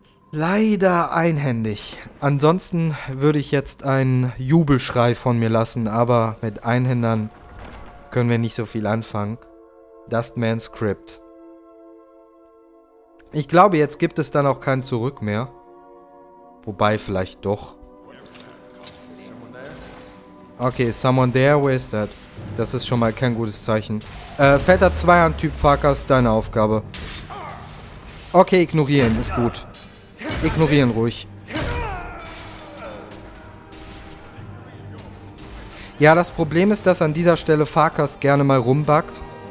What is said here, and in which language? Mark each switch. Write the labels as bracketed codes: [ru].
[de] Leider einhändig. Ansonsten würde ich jetzt einen Jubelschrei von mir lassen, aber mit Einhändern können wir nicht so viel anfangen. [en] Dustman's Crypt. [de] Ich glaube, jetzt gibt es dann auch kein Zurück mehr. Wobei, vielleicht doch. [en] Okay, someone there, where is that? [de] Das ist schon mal kein gutes Zeichen. Fetter Zweihandtyp Farkas, deine Aufgabe. Okay, ignorieren, ist gut. Ignorieren ruhig. Ja, das Problem ist, dass an dieser Stelle Farkas gerne mal rumbackt.